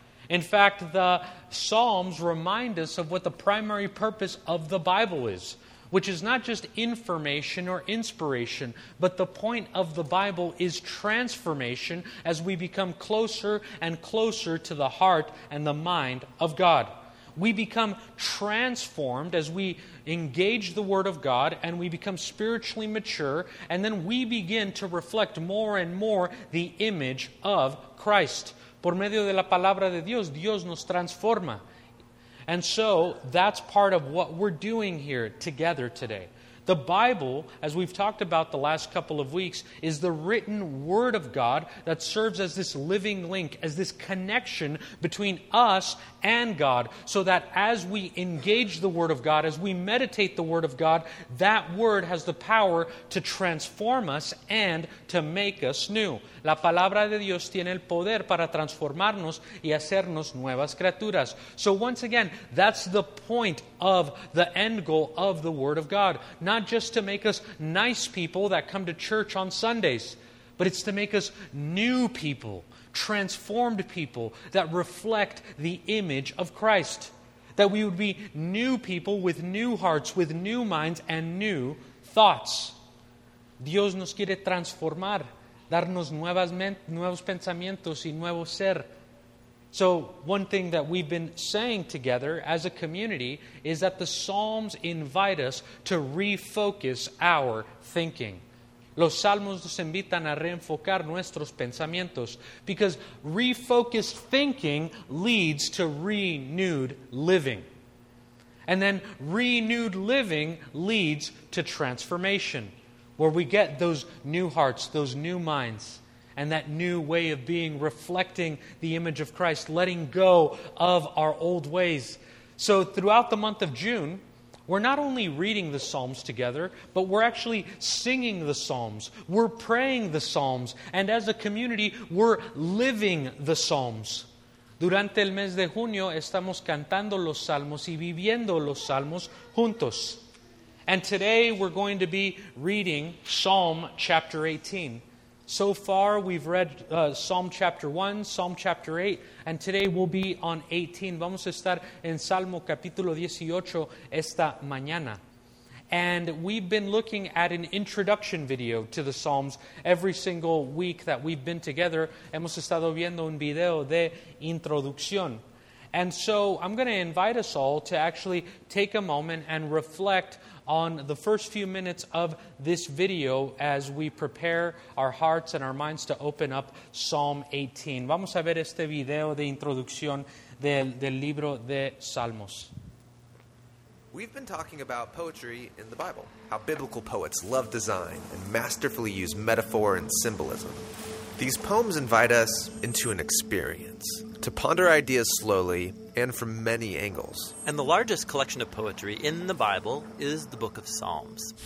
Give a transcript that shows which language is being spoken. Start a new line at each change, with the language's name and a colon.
English: In fact, the Psalms remind us of what the primary purpose of the Bible is, which is not just information or inspiration, but the point of the Bible is transformation as we become closer and closer to the heart and the mind of God. We become transformed as we engage the Word of God and we become spiritually mature, and then we begin to reflect more and more the image of Christ.
Spanish: Por medio de la palabra de Dios, Dios nos transforma.
English: And so that's part of what we're doing here together today. The Bible, as we've talked about the last couple of weeks, is the written Word of God that serves as this living link, as this connection between us and God, so that as we engage the Word of God, as we meditate the Word of God, that Word has the power to transform us and to make us new.
Spanish: La palabra de Dios tiene el poder para transformarnos y hacernos nuevas criaturas.
English: So once again, that's the point of the end goal of the Word of God. Not just to make us nice people that come to church on Sundays, but it's to make us new people, transformed people that reflect the image of Christ. That we would be new people with new hearts, with new minds and new thoughts.
Spanish: Dios nos quiere transformar, darnos nuevos pensamientos y nuevo ser.
English: So one thing that we've been saying together as a community is that the Psalms invite us to refocus our thinking.
Spanish: Los Salmos nos invitan a reenfocar nuestros pensamientos,
English: because refocused thinking leads to renewed living. And then renewed living leads to transformation, where we get those new hearts, those new minds, and that new way of being, reflecting the image of Christ, letting go of our old ways. So throughout the month of June, we're not only reading the Psalms together, but we're actually singing the Psalms. We're praying the Psalms. And as a community, we're living the Psalms.
Spanish: Durante el mes de junio, estamos cantando los Salmos y viviendo los Salmos juntos.
English: And today, we're going to be reading Psalm chapter 18. So far, we've read Psalm chapter 1, Psalm chapter 8, and today we'll be on 18.
Spanish: Vamos a estar en Salmo capítulo 18 esta mañana.
English: And we've been looking at an introduction video to the Psalms every single week that we've been together.
Spanish: Hemos estado viendo un video de introducción.
English: And so I'm going to invite us all to actually take a moment and reflect on the first few minutes of this video as we prepare our hearts and our minds to open up Psalm 18.
Spanish: Vamos a ver este video de introducción del libro de Salmos.
English: We've been talking about poetry in the Bible, how biblical poets love design and masterfully use metaphor and symbolism. These poems invite us into an experience, to ponder ideas slowly and from many angles. And the largest collection of poetry in the Bible is the Book of Psalms.